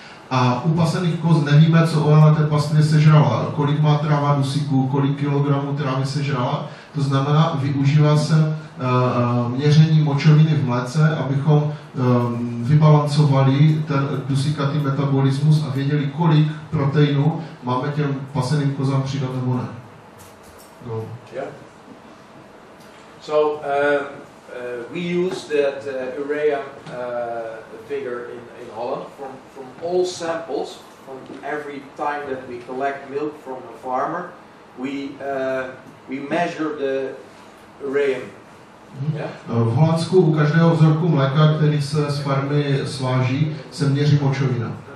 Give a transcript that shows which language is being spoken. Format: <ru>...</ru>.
<cs>A u pasených koz nevíme, co ona na té pastvě sežrala, kolik má tráva dusíku, kolik kilogramů trávy sežrala. To znamená, využívá se měření močoviny v mléce, abychom vybalancovali ten dusíkatý metabolismus a věděli, kolik proteinu máme těm paseným kozám přidat nebo ne.</cs> <en>Go. Yeah. So we use that urea figure in Holland from all samples, from every time that we collect milk from a farmer, we measure the urea. Yeah.</en> <cs>V Holandsku u každého vzorku mléka, který se z farmy sváží, se měří močovina.</cs>